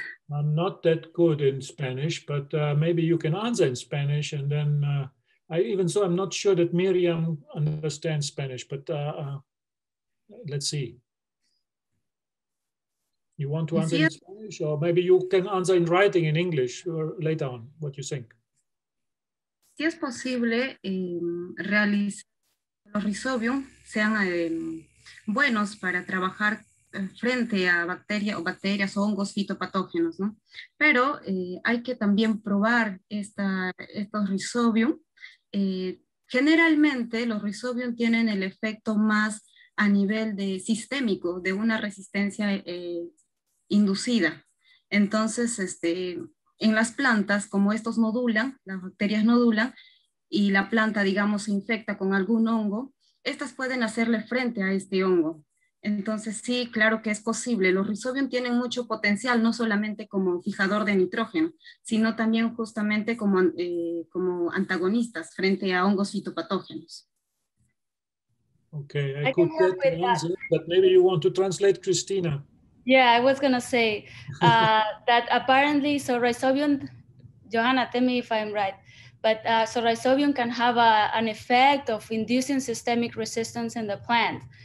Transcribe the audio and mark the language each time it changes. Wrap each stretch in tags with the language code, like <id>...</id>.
<en>I'm not that good in Spanish, but maybe you can answer in Spanish. And then I'm not sure that Miriam understands Spanish, but let's see. You want to answer in Spanish, or maybe you can answer in writing in English or later on, what you think.</en> <es>Si es posible realizar los rhizobium sean buenos para trabajar frente a bacterias o hongos fitopatógenos, ¿no? Pero hay que también probar estos rhizobium. Generalmente los rhizobium tienen el efecto más a nivel de sistémico, de una resistencia inducida. Entonces, en las plantas, como estos modulan, las bacterias modulan, y la planta, digamos, se infecta con algún hongo, estas pueden hacerle frente a este hongo. Entonces, sí, claro que es posible. Los rhizobium tienen mucho potencial, no solamente como fijador de nitrógeno, sino también justamente como antagonistas frente a hongos fitopatógenos.</es> <en>Okay, I could get the answer, but maybe you want to translate, Christina. Yeah, I was going to say that apparently, so rhizobium, Johanna, tell me if I'm right, but so rhizobium can have an effect of inducing systemic resistance in the plant.</en>